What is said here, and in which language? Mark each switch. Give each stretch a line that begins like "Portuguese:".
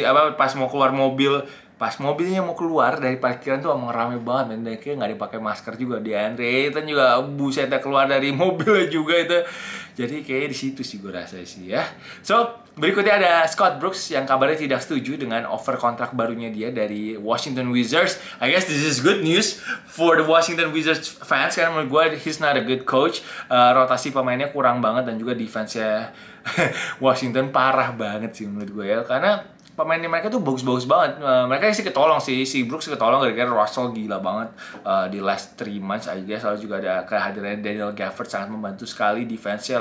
Indonesian: Apa pas mau keluar mobil, pas mobilnya mau keluar dari parkiran tuh emang ramai banget, dan kayak nggak dipakai masker juga. DeAndre Ayton juga busetnya keluar dari mobilnya juga itu. Jadi kayaknya di situ sih gue rasa sih ya. So berikutnya ada Scott Brooks yang kabarnya tidak setuju dengan offer kontrak barunya dia dari Washington Wizards.
English: I guess this is good news for the Washington Wizards fans,
Indonesian: karena menurut gue
English: he's not a good coach.
Indonesian: Rotasi pemainnya kurang banget dan juga defense-nya Washington parah banget sih menurut gue ya. Karena pemainnya mereka tuh bagus-bagus banget. Mereka sih ketolong sih, si Brooks ketolong gara-gara Russell gila banget di
English: last 3 months
Indonesian: aja. Lalu juga ada kehadiran Daniel Gafford sangat membantu sekali defense-nya.